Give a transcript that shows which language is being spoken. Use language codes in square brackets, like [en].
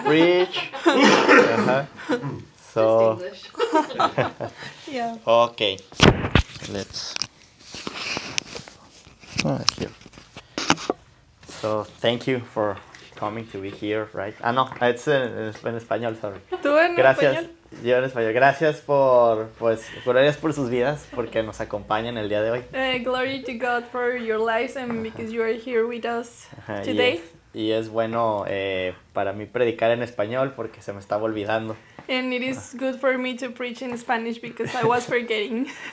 [en] We're going to preach. So. Just English. Yeah. Okay. Let's. Here. So thank you for coming to be here, right? Ah, no, it's in español, sorry. [es] ¿Tú en Gracias. Español? Yo en español. Gracias por, pues, gracias por sus vidas, porque nos acompañan el día de hoy. [en] Glory to God for your lives and because you are here with us today. [es] Y es bueno para mí predicar en español porque se me estaba olvidando. [en] And it is good for me to preach in Spanish because I was forgetting.